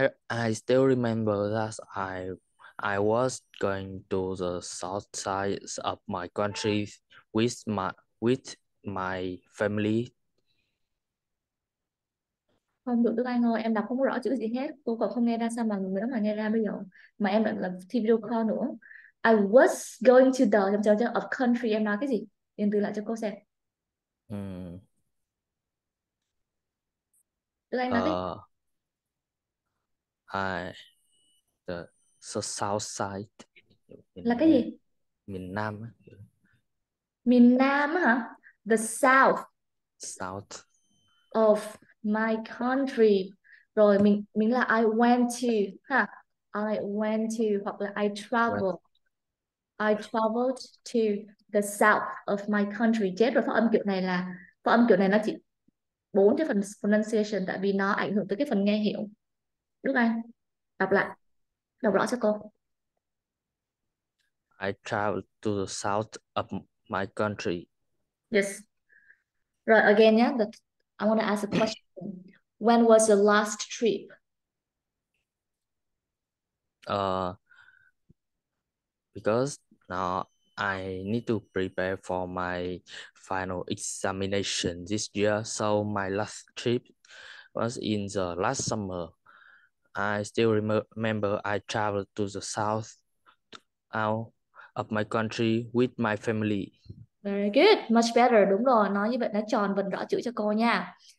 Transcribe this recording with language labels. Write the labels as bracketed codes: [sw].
[en] I still remember that I was going to the south side of my country with my family. [vi] Không được Đức Anh ơi, em đọc không rõ chữ gì hết. Cô còn không nghe ra sao mà người nữa mà nghe ra bây giờ. Mà em lại là video call nữa. [en] I was going to the [vi] trong trường [en] of country. [vi] Em nói cái gì? Điền từ lại cho cô xem. Đức Anh nói đi. [en] The south side [vi] Là cái gì? Miền Nam. Miền Nam hả? [en] The south. South. Of my country. [vi] Rồi mình là [en] I went to ha. I went to [vi] hoặc là [en] I traveled. I traveled to the south of my country. [vi] Chết rồi, phát âm kiểu này là phát âm kiểu này nó chỉ bốn cái phần pronunciation tại vì nó ảnh hưởng tới cái phần nghe hiểu. Đúng không? Đọc lại. Đọc rõ cho cô. [en] I traveled to the south of my country. Yes. Right, again, yeah, but I want to ask a question. When was your last trip? Because now I need to prepare for my final examination this year. So my last trip was in the last summer. I still remember I traveled to the south out of my country with my family. Very good, much better. [vi] Đúng rồi, nói như vậy nó tròn vần rõ chữ cho cô nha.